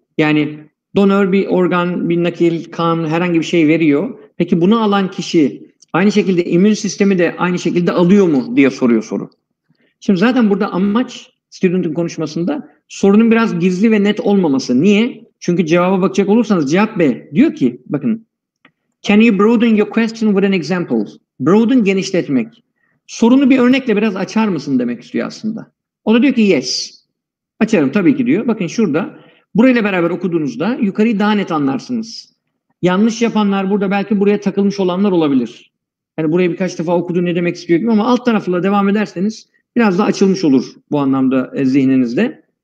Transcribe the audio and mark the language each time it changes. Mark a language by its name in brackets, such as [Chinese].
[Turkish] Yani donör bir organ, bir nakil, kan, herhangi bir şey veriyor. Peki bunu alan kişi aynı şekilde immün sistemi de aynı şekilde alıyor mu diye soruyor soru. Şimdi zaten burada amaç student'ın konuşmasında sorunun biraz gizli ve net olmaması. Niye? Çünkü cevaba bakacak olursanız cevap B. Diyor ki bakın, [English] can you broaden your question with an example? [Turkish] Broaden, genişletmek. Sorunu bir örnekle biraz açar mısın demek istiyor aslında. O da diyor ki yes. Açarım tabii ki diyor. Bakın şurada, burayla beraber okuduğunuzda yukarıyı daha net anlarsınız. Yanlış yapanlar burada, belki buraya takılmış olanlar olabilir. Yani burayı birkaç defa okudu ne demek istiyor gibi, ama alt tarafıyla devam ederseniz biraz daha açılmış olur bu anlamda zihninizde.